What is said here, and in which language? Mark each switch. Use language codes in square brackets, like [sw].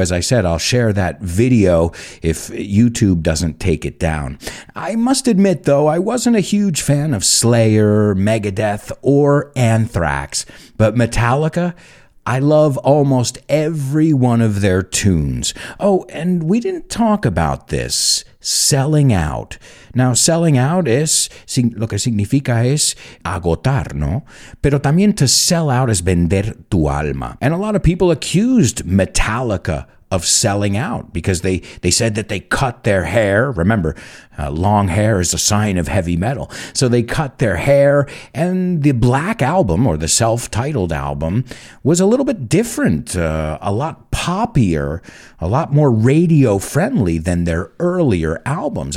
[en] As I said, I'll share that video if YouTube doesn't take it down. I must admit, though, I wasn't a huge fan of Slayer, Megadeth, or Anthrax. But Metallica, I love almost every one of their tunes. Oh, and we didn't talk about this. Selling out. Now, selling out [es] es lo que significa es agotar, ¿no? Pero también [en] to sell out is [es] vender tu alma. [en] And a lot of people accused Metallica of selling out because they said that they cut their hair. Remember, long hair is a sign of heavy metal. So they cut their hair, and the Black Album, or the self-titled album, was a little bit different, a lot poppier, a lot more radio-friendly than their earlier albums.